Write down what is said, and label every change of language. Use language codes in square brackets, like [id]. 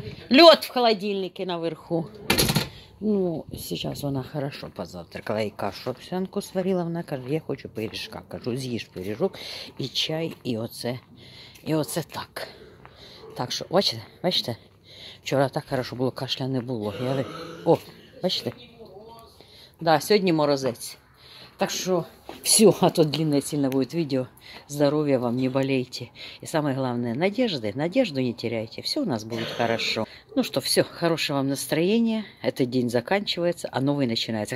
[ru] Лед в холодильнике наверху. [uk] Ну, зараз вона хорошо позавтракала. І кашу овсянку сварила. Вона каже, я хочу пиріжка. Кажу, з'їж пиріжок і чай, і оце так. Так що, бачите, бачите? Вчора так хорошо було, кашля не було. Я... О, бачите? Да, сьогодні морозець. [ru] Так что все, а то длинное сильно будет видео. Здоровья вам, не болейте. И самое главное, надежды. Надежду не теряйте. Все у нас будет хорошо. Ну что, все, хорошего вам настроения. Этот день заканчивается, а новый начинается.